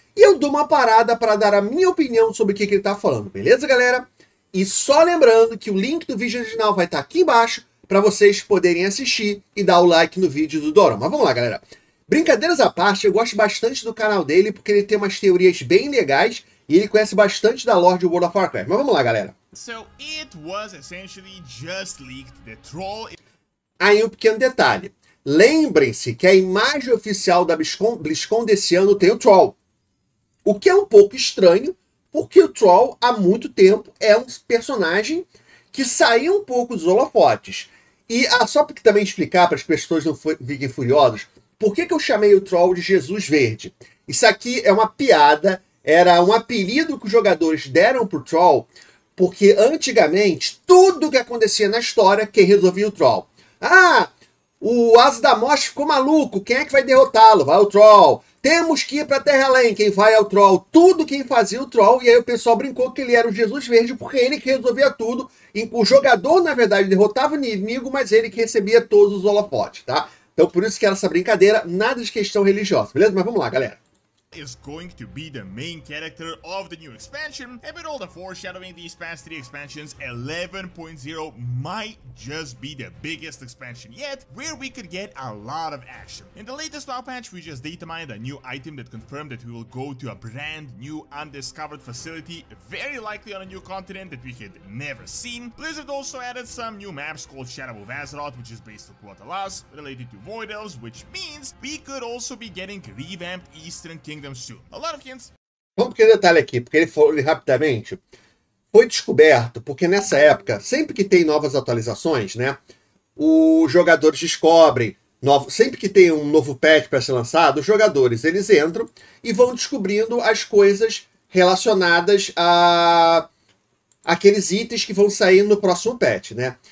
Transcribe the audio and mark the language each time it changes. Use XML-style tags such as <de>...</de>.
<pt>E eu dou uma parada para dar a minha opinião sobre o que ele está falando, beleza, galera? E só lembrando que o link do vídeo original vai estar aqui embaixo para vocês poderem assistir e dar o like no vídeo do Doron. Mas vamos lá, galera. Brincadeiras à parte, eu gosto bastante do canal dele porque ele tem umas teorias bem legais e ele conhece bastante da lore de World of Warcraft. Mas vamos lá, galera.</pt> <en>So it was essentially just leaked, the troll...</en> <pt>Aí um pequeno detalhe. Lembrem-se que a imagem oficial da BlizzCon desse ano tem o Troll. O que é um pouco estranho, porque o Troll, há muito tempo, é um personagem que saiu um pouco dos holofotes. E só para também explicar para as pessoas não fiquem furiosas, por que eu chamei o Troll de Jesus Verde? Isso aqui é uma piada, era um apelido que os jogadores deram pro Troll, porque antigamente, tudo que acontecia na história, quem resolvia o Troll? Ah, o Asa da Morte ficou maluco, quem é que vai derrotá-lo? Vai o Troll. Temos que ir pra Terra Além, quem vai é o Troll. Tudo quem fazia o Troll, e aí o pessoal brincou que ele era o Jesus Verde, porque ele que resolvia tudo. O jogador, na verdade, derrotava o inimigo, mas ele que recebia todos os holofotes, tá? Então, por isso que era essa brincadeira, nada de questão religiosa, beleza? Mas vamos lá, galera.</pt> <en>Is going to be the main character of the new expansion, and with all the foreshadowing these past three expansions, 11.0 might just be the biggest expansion yet, where we could get a lot of action. In the latest WoW patch, we just data mined a new item that confirmed that we will go to a brand new undiscovered facility, very likely on a new continent that we had never seen. Blizzard also added some new maps called Shadow of Azeroth, which is based on Quatalas, related to Void Elves, which means we could also be getting revamped Eastern King.</en> <pt>Vamos para um detalhe aqui, porque ele falou rapidamente. Foi descoberto, porque nessa época, sempre que tem novas atualizações, né? Os jogadores descobrem, sempre que tem um novo patch para ser lançado, os jogadores eles entram e vão descobrindo as coisas relacionadas a aqueles itens que vão sair no próximo patch, né?</pt>